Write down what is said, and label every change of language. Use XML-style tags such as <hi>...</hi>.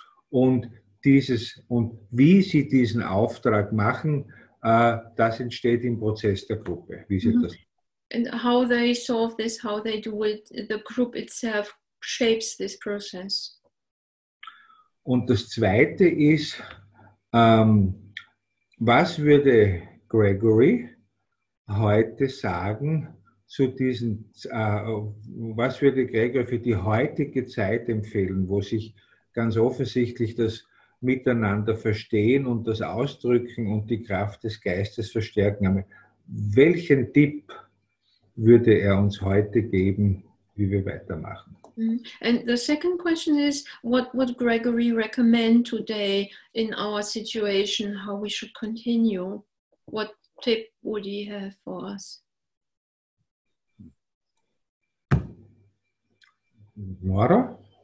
<de>Und wie sie diesen Auftrag machen, das entsteht im Prozess der Gruppe. Wie sie das?</de> <en>And how they solve this, how they do it, the group itself shapes this process.</en> <de>Und das Zweite ist, was würde Gregory heute sagen zu diesen, was würde Gregory für die heutige Zeit empfehlen, wo sich ganz offensichtlich das miteinander verstehen und das Ausdrücken und die Kraft des Geistes verstärken. Welchen Tipp würde er uns heute geben, wie wir weitermachen?</de> <en>And the second question is, what would Gregory recommend today in our situation, how we should continue? What tip would he have for us? Nora?</en>